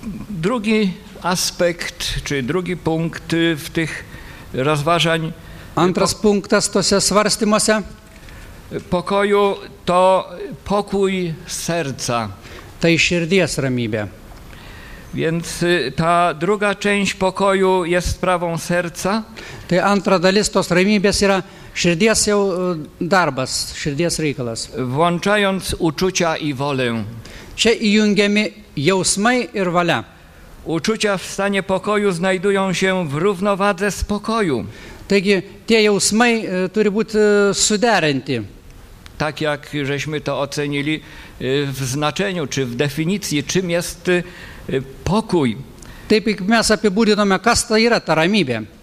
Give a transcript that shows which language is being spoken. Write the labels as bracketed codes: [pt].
[pl] Drugi aspekt, czy drugi punkt w tych rozważań. [lt] Antras punktas tose svarstymuose. [pl] Pokoju to pokój serca. [lt] Tai širdies ramybė. [pl] Więc ta druga część pokoju jest sprawą serca. [lt] Tai antra dalis tos ramybės yra širdies jau darbas, širdies reikalas. [pl] Włączając uczucia i wolę. [lt] Čia įjungiami jausmai ir valia. [pl] Uczucia w stanie pokoju znajdują się w równowadze z pokoju. [lt] Taigi, tie jausmai turi būti suderinti. [pl] Tak jak żeśmy to ocenili w znaczeniu, czy w definicji, czym jest pokój. [lt] Taip, jak mes apibūdinome, kas ta yra ta ramybė.